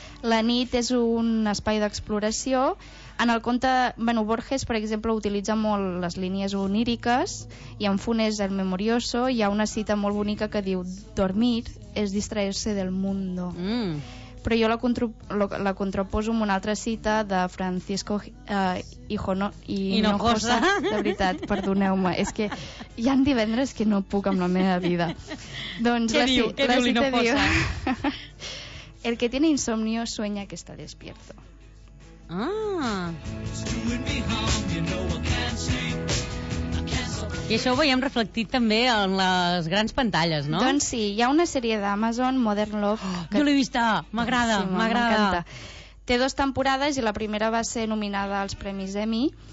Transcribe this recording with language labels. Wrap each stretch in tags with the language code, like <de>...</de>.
<ca>La nit és un espai d'exploració. En el conte, bueno, Borges, per exemple, utilitza molt les línies oníriques i en Funes, el Memorioso, hi ha una cita molt bonica que diu</ca> <es>«Dormir es distraerse del mundo».</es> <ca>Mm. Però jo la contraposo amb una altra cita de Francisco Hinojosa. De veritat, perdoneu-me. És que hi ha divendres que no puc amb la meva vida. Doncs què diu? La què cita diu?</ca> <es>El que tiene insomnio sueña que está despierto.</es> <ca>Ah. I això ho veiem reflectit també en les grans pantalles, no? Doncs sí, hi ha una sèrie d'Amazon, Modern Love. Que... Jo l'he vista, m'agrada, sí, m'agrada. Té dues temporades i la primera va ser nominada als Premis Emmy.</ca>